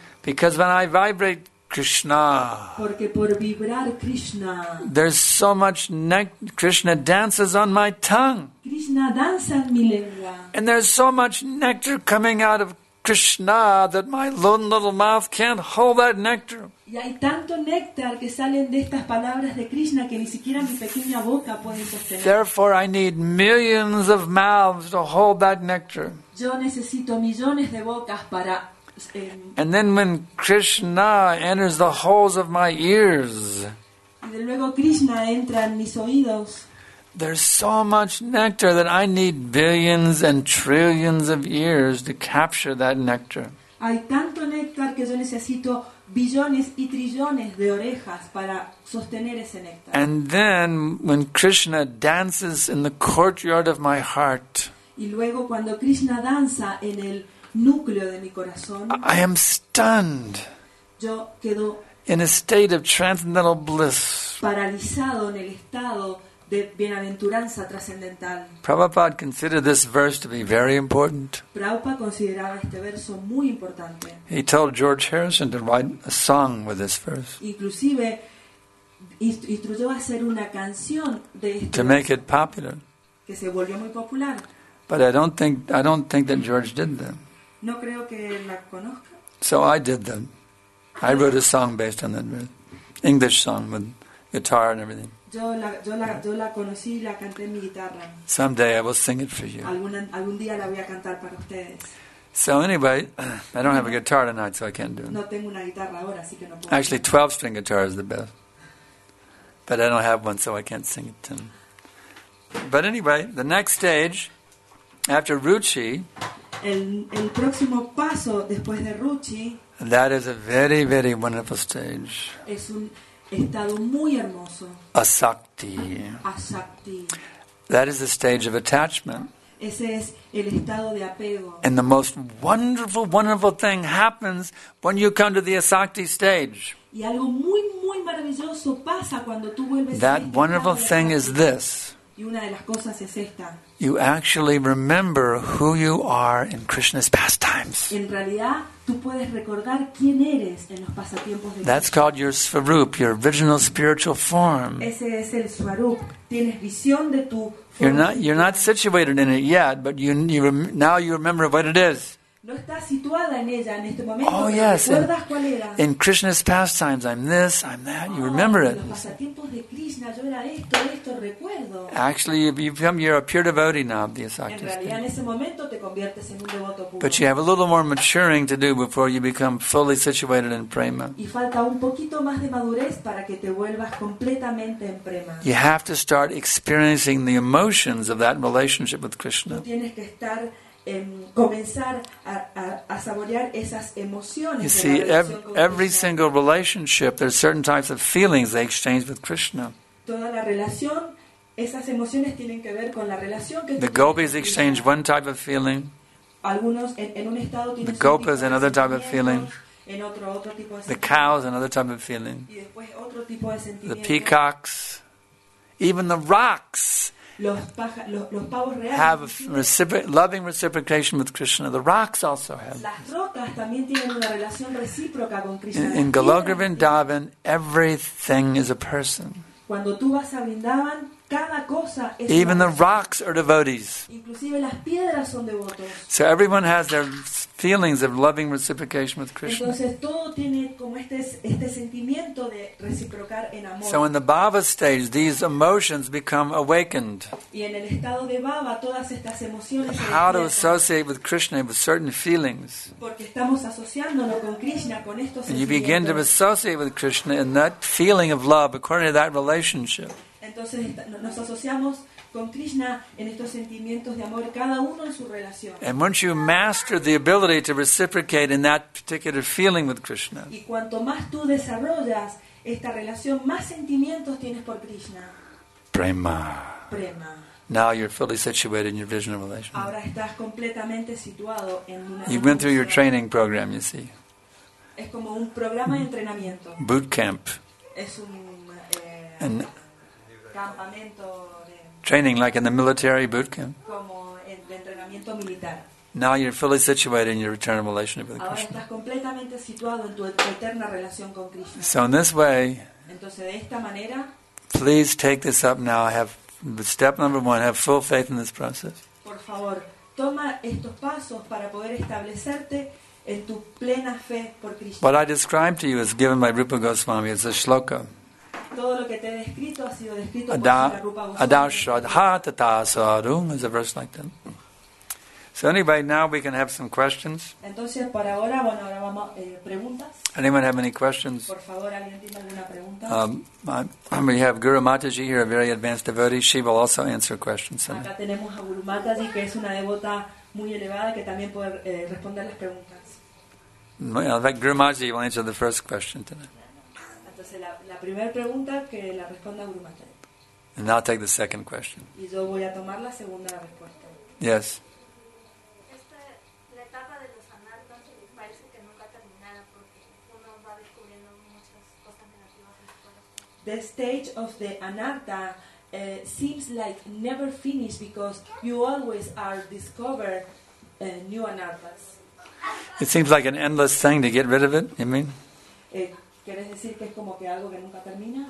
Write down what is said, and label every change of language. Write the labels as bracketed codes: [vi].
[en] Because when I vibrate Krishna, [es] porque por vibrar Krishna, [en] there's so much nectar. Krishna dances on my tongue. [es] Krishna danza en mi lengua. [en] And there's so much nectar coming out of Krishna that my lone little mouth can't hold that nectar. [es] Y hay tanto néctar que salen de estas palabras de Krishna que ni siquiera mi pequeña boca puede sostener. [en] Therefore, I need millions of mouths to hold that nectar. [es] Yo necesito millones de bocas para. [en] And then, when Krishna enters the holes of my ears. [es] Y de luego Krishna entra en mis oídos. [en] There's so much nectar that I need billions and trillions of ears to capture that nectar. [es] Hay tanto néctar que yo necesito billones y trillones de orejas para sostener ese néctar. [en] And then when Krishna dances in the courtyard of my heart. [es] Y luego cuando Krishna danza en el núcleo de mi corazón. [en] I am stunned. [es] Yo quedo [en] in a state of transcendental bliss. [es] Paralizado en el estado de bienaventuranza trascendental. [en] Prabhupada considered this verse to be very important. [es] Prabhupada consideraba este verso muy importante. [en] He told George Harrison to write a song with this verse. [es] Inclusive instruyó a hacer una canción de este [en] to make it popular. [es] Que se volvió muy popular. [en] But I don't think that George did them. [es] No creo que la conozca. [en] So I did them. I wrote a song based on that verse. English song with guitar and everything. [es] Yo la conocí y la canté en mi guitarra. [en] Someday I will sing it for you. [es] Algún día la voy a cantar para ustedes. [en] So anyway, I don't have a guitar tonight, so I can't do it. [es] No tengo una guitarra ahora, así que no puedo. [en] Actually, 12-string guitar is the best. But I don't have one, so I can't sing it tonight. But anyway, the next stage, after Ruchi. [es] El próximo paso después de Ruchi. [en] That is a very, very wonderful stage. [es] Es un estado muy hermoso. [en] Asakti. [es] Asakti. [en] That is the stage of attachment. [es] Ese es el estado de apego. [en] And the most wonderful, wonderful thing happens when you come to the Asakti stage. [es] Y algo muy, muy maravilloso. maravilloso pasa cuando tú vuelves. [en] That wonderful thing is this. [es] Y una de las cosas es esta. [en] You actually remember who you are in Krishna's pastimes. [es] En realidad, tú puedes recordar quién eres en los pasatiempos de Krishna. [en] That's called your svarup, your original spiritual form. [es] Ese es el svarup. Tienes visión de tu forma. [en] You're not situated in it yet, but now you remember what it is. [es] No está situada en ella en este momento. [en] Oh, yes. [es] ¿Recuerdas cuál era? [en] In Krishna's pastimes, I'm this, I'm that. You remember it. [es] En los pasatiempos de Krishna, yo era esto, recuerdo. [en] Actually, you're a pure devotee now of the Asakti. [es] En realidad, en ese momento te conviertes en un devoto puro. [en] But you have a little more maturing to do before you become fully situated in prema. [es] Y falta un poquito más de madurez para que te vuelvas completamente en prema. [en] You have to start experiencing the emotions of that relationship with Krishna. [es] Tú tienes que estar comenzar a saborear esas emociones. [en] You see, every single relationship, there's certain types of feelings they exchange with Krishna. [es] Toda la relación, esas emociones tienen que ver con la relación que. [en] The gopis exchange one type of feeling. [es] Algunos en un estado. [en] The gopas another type of feeling. [es] En otro tipo de. [en] The cows another type of feeling. [es] Y después otro tipo de sentimientos. [en] The peacocks, even the rocks. Have loving reciprocation with Krishna. The rocks also have. [es] Las rocas también tienen una relación recíproca con Krishna. [en] In Goloka Vrindavan, everything is a person. [es] Cuando tú vas a Vrindavan, cada cosa es. [en] Even the rocks are devotees. [es] Inclusive las piedras son devotos. [en] So everyone has their feelings of loving reciprocation with Krishna. [es] Entonces todo tiene como este sentimiento de reciprocar en amor. [en] So in the bhava stage, these emotions become awakened. [es] Y en el estado de bhava, todas estas emociones. [en] How to associate with Krishna with certain feelings. [es] Porque estamos asociándolo con Krishna con estos sentimientos. [en] And you begin to associate with Krishna in that feeling of love according to that relationship. [es] Entonces nos asociamos con Krishna en estos sentimientos de amor, cada uno en su relación. [en] And once you master the ability to reciprocate in that particular feeling with Krishna. [es] Y cuanto más tú desarrollas esta relación, más sentimientos tienes por Krishna. [en] Prema. [es] Prema. [en] Now you're fully situated in your visual relationship. [es] Ahora estás completamente situado en una. [en] You've been through your training program, you see. [es] Es como un programa de entrenamiento. [en] Boot camp. [es] Es un campamento. [en] Training like in the military boot camp. [es] Como en el entrenamiento militar. [en] Now you're fully situated in your eternal relationship with [es] ahora [en] Krishna. [es] Estás completamente situado en tu eterna relación con Krishna. [en] So in this way. [es] Entonces, de esta manera, [en] please take this up now. Have step number one. Have full faith in this process. [es] Por favor, toma estos pasos para poder establecerte en tu plena fe por Krishna. [en] What I described to you is given by Rupa Goswami. It's a shloka. [es] Todo lo que te he descrito ha sido descrito por Rupa Goswami. [en] Adashradha tata sarum is a verse like that. So anyway, now we can have some questions. [es] Entonces, para ahora, bueno, ahora vamos preguntas. [en] Anyone have any questions? [es] Por favor, alguien tiene alguna pregunta. [en] We have Guru Mataji here, a very advanced devotee. She will also answer questions. [es] Acá tenemos a Guru Mataji, que es una devota muy elevada, que también puede responder las preguntas. [en] Well, in fact, Guru Mataji will answer the first question tonight. [es] La primera pregunta que la responda Guru Mataji. [en] And I'll take the second question. [es] Y yo voy a tomar la segunda respuesta. [en] Yes. [es] La etapa de los anartas parece que nunca terminará porque uno va descubriendo muchas cosas negativas. [en] The stage of the anarta seems like never finished because you always are discover new anartas. It seems like an endless thing to get rid of it, you mean? [es] ¿Quieres decir que es como que algo que nunca termina?